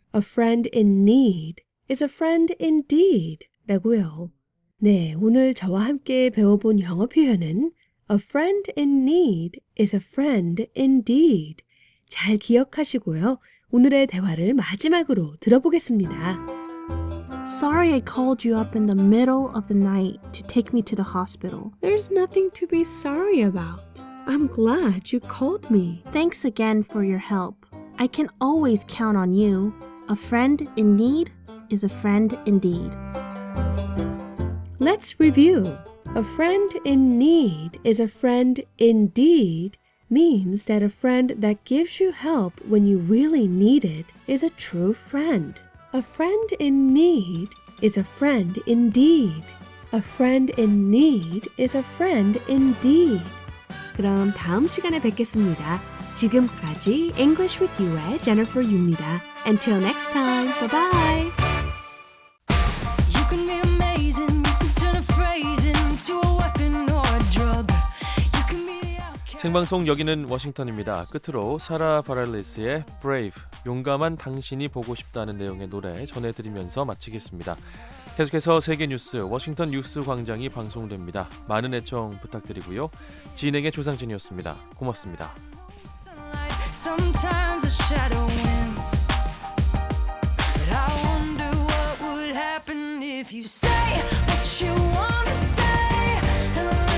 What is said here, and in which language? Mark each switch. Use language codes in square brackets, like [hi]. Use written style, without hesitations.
[en] A friend in need is a friend indeed. [ko] 라고요. 네, 오늘 저와 함께 배워본 영어 표현은 [en] A friend in need is a friend indeed. [ko] 잘 기억하시고요. 오늘의 대화를 마지막으로 들어보겠습니다. [en] Sorry I called you up in the middle of the night to take me to the hospital. There's nothing to be sorry about. I'm glad you called me. Thanks again for your help. I can always count on you. A friend in need is a friend indeed. Let's review. A friend in need is a friend indeed means that a friend that gives you help when you really need it is a true friend. A friend in need is a friend indeed. A friend in need is a friend indeed. [ko] 그럼 다음 시간에 뵙겠습니다. 지금까지 English with You의 Jennifer Yu입니다. [en] Until next time, bye-bye. You can be amazing, you can turn a phrase into a weapon or a drug. You can be the... [ko] 생방송 여기는 워싱턴입니다. 끝으로 사라 바랄리스의 Brave, 용감한 당신이 보고 싶다는 내용의 노래 전해드리면서 마치겠습니다. 계속해서 세계 뉴스 워싱턴 뉴스 광장이 방송됩니다. 많은 애청 부탁드리고요. 진행의 조상진이었습니다. 고맙습니다. [en] Sometimes a shadow wins, but I wonder what would happen if you say what you want to say.